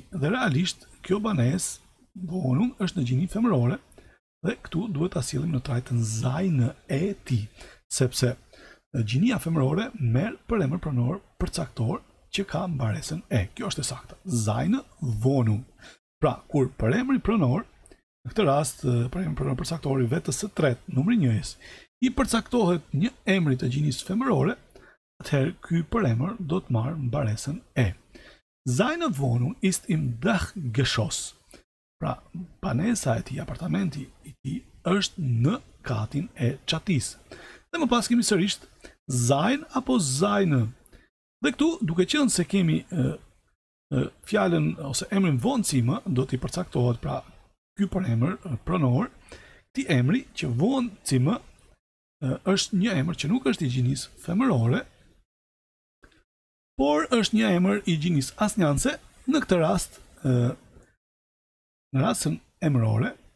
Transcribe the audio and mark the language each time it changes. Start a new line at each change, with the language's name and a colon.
Albanian: Dhe realisht kjo banesë, Wohnung, është në gjinisë femërore dhe këtu duhet ta sillim në trajtën sein e ti, sepse gjinia femërore merr përemër pronor përcaktor që ka mbaresën e. Kjo është e saktë.
German: Sein Wohnung.
Albanian: Pra, kur përemri pronor, në këtë rast përemri pronor përcaktori vetës së tretë, numri 1-s, i përcaktohet një emri të gjinisë femërore, atëherë ky përemër do të marrë mbaresën e.
German: Seine Wohnung ist im Dachgeschoss.
Albanian: Pra, banesa e tij, apartamenti i tij është në katin e çatisë. Dhe më pas kemi sërish sein apo seine. Dhe këtu, duke qenë se kemi fjalën ose emrin vonësimë do t'i përcaktohet pra ky përemër pronor, këtij emri që vonësimë është një emër që nuk është i gjinisë femërore, por është një emër i gjinisë asnjëse, në këtë rast në rastin emërore